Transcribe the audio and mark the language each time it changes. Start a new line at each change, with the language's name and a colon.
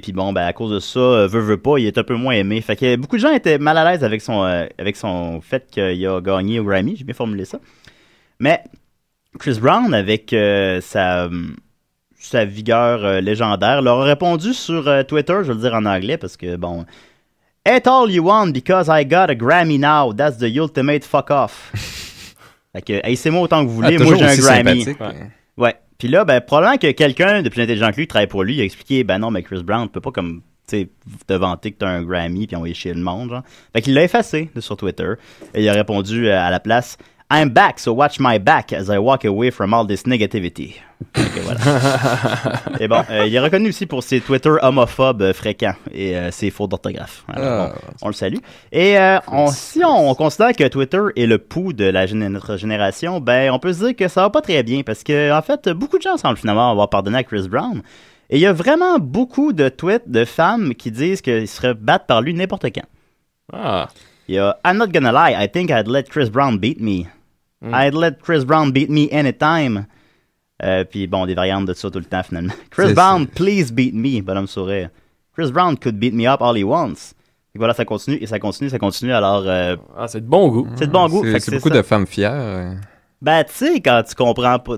French: Puis, bon, ben, à cause de ça, veut pas, il est un peu moins aimé. Fait que beaucoup de gens étaient mal à l'aise avec son fait qu'il a gagné au Grammy, j'ai bien formulé ça. Mais Chris Brown, avec sa vigueur légendaire, leur a répondu sur Twitter, je vais le dire en anglais, parce que bon...
English: « It's all you want because I got a Grammy now, that's the ultimate fuck off.
French: » Fait que haïssez-moi autant que vous voulez, moi j'ai un Grammy. Ouais. Puis là, ben, probablement que quelqu'un de plus intelligent que lui travaille pour lui, il a expliqué « Ben non, mais Chris Brown peut pas comme... » T'sais, te vanter que t'as un Grammy puis envoyer chier le monde, genre. Fait qu'il l'a effacé sur Twitter et il a répondu à la place «
English: I'm back, so watch my back as I walk away from all this negativity.
French: » Okay, voilà. Et bon, il est reconnu aussi pour ses Twitter homophobes fréquents et ses fautes d'orthographe. Alors, on le salue. Et on considère que Twitter est le pouls de notre génération, ben on peut se dire que ça va pas très bien parce que en fait, beaucoup de gens semblent finalement avoir pardonné à Chris Brown. Et il y a vraiment beaucoup de tweets de femmes qui disent qu'ils seraient battus par lui n'importe quand. Ah. Il y a
English: « I'm not gonna lie, I think I'd let Chris Brown beat me. I'd let Chris Brown beat me anytime.
French: » Puis bon, des variantes de ça tout le temps finalement.
English: « Chris Brown, please beat me. »
French: Bonhomme sourire.
English: « Chris Brown could beat me up all he wants. »
French: Et voilà, ça continue et ça continue, ça continue. Alors, ah, c'est de bon goût. C'est de bon goût. C'est beaucoup ça. De femmes fières. Ben, tu sais, quand tu comprends pas...